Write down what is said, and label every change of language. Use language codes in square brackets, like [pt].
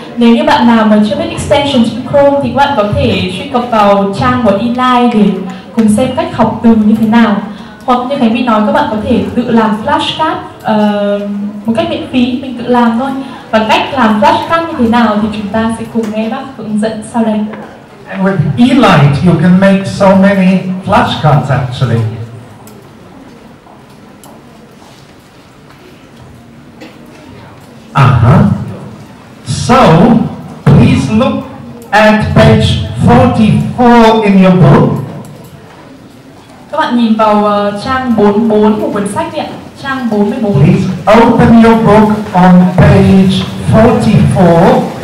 [vi] Nếu như bạn nào mà chưa biết extension trên Chrome thì các bạn có thể truy cập vào trang của Eli để cùng xem cách học từ như thế nào. Hoặc như Khánh Vy nói, các bạn có thể tự làm flashcard một cách miễn phí, mình tự làm thôi. Và cách làm flashcard như thế nào thì chúng ta sẽ cùng nghe bác hướng dẫn sau đây. [en] And with Eli you can make so many flashcards actually. So, please look at page 44 in your book. [vi] Các bạn nhìn vào trang 44 của cuốn sách đi ạ. Trang 44. [en] Please open your book on page 44.